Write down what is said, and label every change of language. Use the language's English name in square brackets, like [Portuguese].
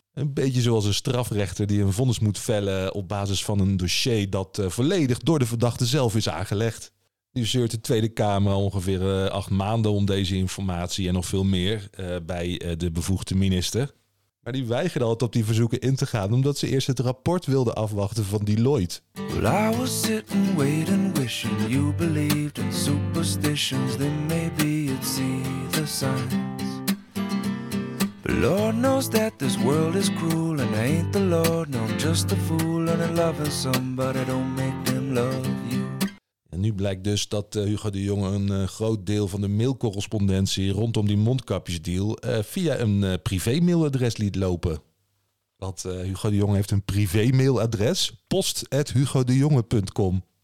[Dutch] Een beetje zoals een strafrechter die een vonnis moet vellen op basis van een dossier dat volledig door de verdachte zelf is aangelegd. Nu zeurt de Tweede Kamer ongeveer 8 maanden om deze informatie en nog veel meer bij de bevoegde minister. Maar die weigerde altijd op die verzoeken in te gaan, omdat ze eerst het rapport wilde afwachten van Deloitte. [English] Well, I was sitting, waiting, wishing you believed in superstitions. Then maybe you'd see the signs. But Lord knows that this world is cruel and I ain't the Lord. No, I'm just a fool and I'm loving somebody. Don't make them love you. [Dutch] En nu blijkt dus dat Hugo de Jonge een groot deel van de mailcorrespondentie rondom die mondkapjesdeal via een privémailadres liet lopen. Want Hugo de Jonge heeft een privémailadres, post@hugodejonge.com.